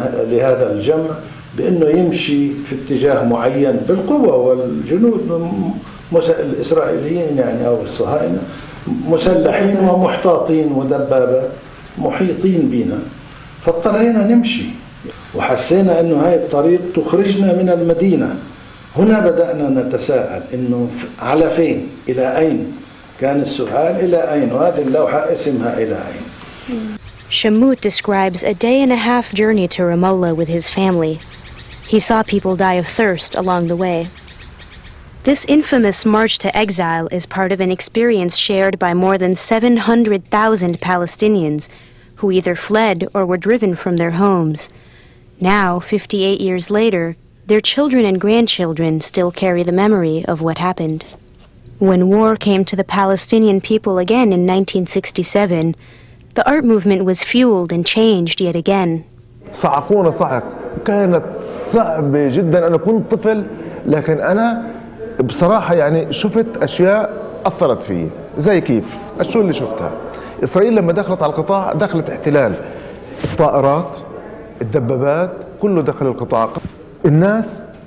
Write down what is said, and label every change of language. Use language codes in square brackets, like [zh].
[ar] لهذا الجمع بأنه يمشي في اتجاه معين بالقوة والجنود الإسرائيليين يعني أو الصهاينة مسلحين ومحتاطين ودبابة محيطين بنا فاضطرينا نمشي وحسينا أنه هاي الطريق تخرجنا من المدينة هنا بدأنا نتساءل أنه على فين إلى أين كان السؤال إلى أين وهذه اللوحة اسمها إلى أين [en] Shamut describes a day and a half journey to Ramallah with his family. He saw people die of thirst along the way. This infamous march to exile is part of an experience shared by more than 700,000 Palestinians who either fled or were driven from their homes. Now, 58 years later, their children and grandchildren still carry the memory of what happened. When war came to the Palestinian people again in 1967, the art movement was fueled and changed yet again. [ar] صعقونا صعق كانت صعبة جدا أنا كنت طفل لكن أنا بصراحة يعني شفت أشياء أثرت فيي زي كيف شو اللي شفتها إسرائيل لما دخلت على القطاع دخلت احتلال الطائرات الدبابات كله دخل القطاع الناس